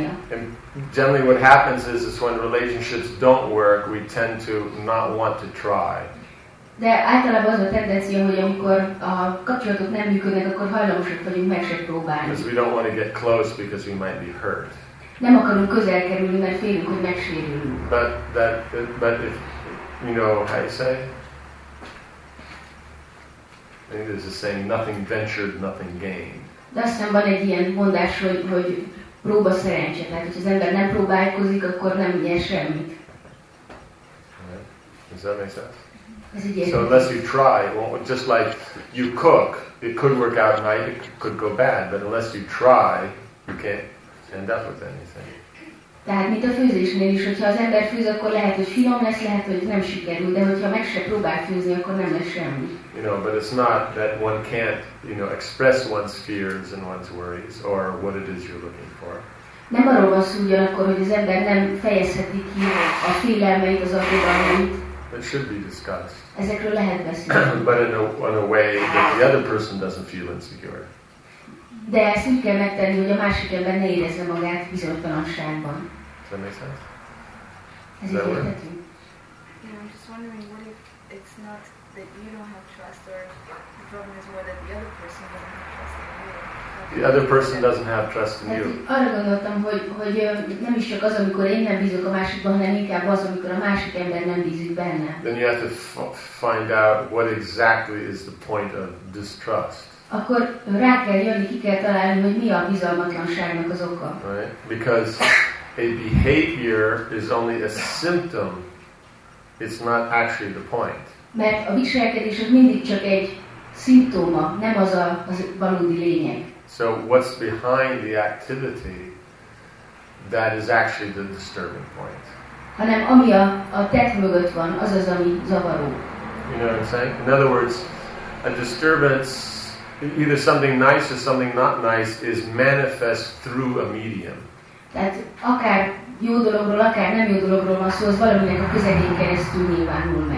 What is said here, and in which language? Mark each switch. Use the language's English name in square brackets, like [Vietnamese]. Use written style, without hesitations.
[English] And generally what happens is when relationships don't work, we tend to not want to try. [Hungarian] De általában az a tendencia, hogy amikor a kapcsolatok nem működnek, akkor hajlamosak vagyunk meg se próbálni. [English] Because we don't want to get close because we might be hurt. [Hungarian] Nem akarunk közel kerülni, mert félünk, hogy megsérülünk. [English] But if, you know, how you say? I think there's a saying, nothing ventured, nothing gained. [Hungarian] De aztán van egy ilyen mondás, hogy próba szerencse. Tehát, hogy az ember nem próbálkozik, akkor nem nyer semmit. [English] Does that make sense? So unless you try, well, just like you cook, it could work out right, it could go bad, but unless you try, you can't end up with anything. [Hungarian] Tehát mint a főzésnél is, hogyha az ember főz, akkor lehet, hogy finom lesz, lehet, hogy nem sikerül, de hogyha meg se próbál főzni, akkor nem lesz semmi. [English] You know, but it's not that one can't, you know, express one's fears and one's worries or what it is you're looking for. [Hungarian] Nem arról van szó ugyanakkor, hogy az ember nem fejezheti ki a félelmeit, az aggodalmait. [English] It should be discussed. [Hungarian] Ezekről lehet beszélni. [English] But in a way that the other person doesn't feel insecure. [Hungarian] De ezt úgy kell megtenni, hogy a másik ember ne érezze magát bizonytalanságban. [English] Does that make sense? [Hungarian] Ez így érthető. [English] You know, I'm just wondering, what if it's not that you don't have trust, or the problem is more that the other person doesn't have trust in you? The other person doesn't have trust in you. [Hungarian] Arra gondoltam, hogy nem is csak az, amikor én nem bízok a másikban, hanem inkább az, amikor a másik ember nem bízik benne. [English] Then you have to find out what exactly is the point of distrust. [Hungarian] Akkor rá kell jönni, ki kell találni, hogy mi a bizalmatlanságnak az oka. [English] Right? Because a behavior is only a symptom. It's not actually the point. [Hungarian] Mert a viselkedés az mindig csak egy szimptoma, nem az a valódi lényeg. [English] So what's behind the activity that is actually the disturbing point? [Hungarian] Hanem ami a tett mögött van, az az, ami zavaró. [English] You know what I'm saying? In other words, a disturbance, either something nice or something not nice, is manifest through a medium. [Hungarian] Tehát akár jó dologról, akár nem jó dologról van szó, az valaminek a közegén keresztül nyilvánul meg.